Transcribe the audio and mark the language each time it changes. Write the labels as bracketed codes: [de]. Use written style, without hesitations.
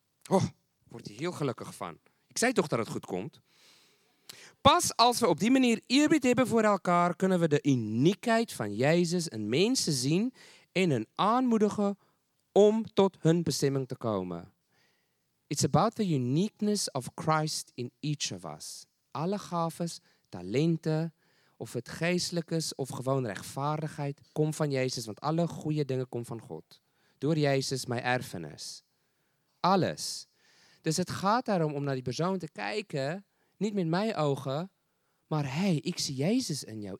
[nl] Oh, word je heel gelukkig van. Ik zei toch dat het goed komt. Pas als we op die manier eerbied hebben voor elkaar, kunnen we de uniekheid van Jezus en mensen zien en hun aanmoedigen om tot hun bestemming te komen. [en] It's about the uniqueness of Christ in each of us. [nl] Alle gaves, talenten, of het geestelijk is, of gewoon rechtvaardigheid, komt van Jezus, want alle goede dingen komen van God. Door Jezus, mijn erfenis. Alles. Dus het gaat daarom om naar die persoon te kijken. Niet met mijn ogen, maar hey, ik zie Jezus in jou.